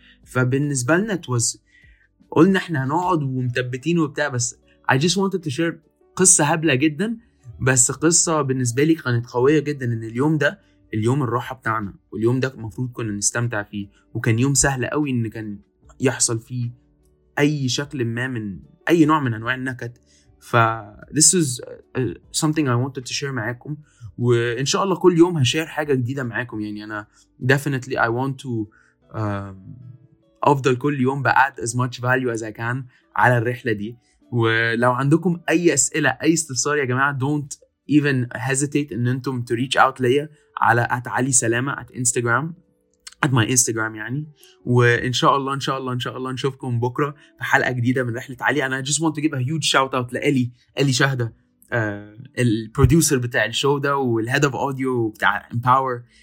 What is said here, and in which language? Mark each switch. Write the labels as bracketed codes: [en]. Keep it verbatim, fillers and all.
[ar] فبالنسبه لنا توز قلنا احنا هنقعد ومثبتين وبتاع، بس [en] I just wanted to share [ar] قصة هبلة جدا، بس قصة بالنسبة لي كانت قوية جدا، ان اليوم ده اليوم الراحة بتاعنا، واليوم ده المفروض كنا نستمتع فيه، وكان يوم سهل قوي ان كان يحصل فيه اي شكل ما من اي نوع من انواع النكد. ف [en] this is something I wanted to share [ar] معاكم، وان شاء الله كل يوم هشير حاجة جديدة معاكم. [en] يعني انا definitely I want to um, [ar] أفضل كل يوم بقعد [en] as much value as I can [ar] على الرحلة دي. ولو عندكم أي أسئلة أي استفسار يا جماعة [en] don't even hesitate [ar] إن أنتم [en] to reach out [ar] ليا على at علي سلامة at Instagram at my Instagram يعني. وإن شاء الله إن شاء الله إن شاء الله نشوفكم بكرة في حلقة جديدة من رحلة علي. [en] أنا just want to give a huge shout out [ar] لألي ألي شهدة [en] البروديوسر بتاع الشو ده والهيد اوف اوديو بتاع Empower.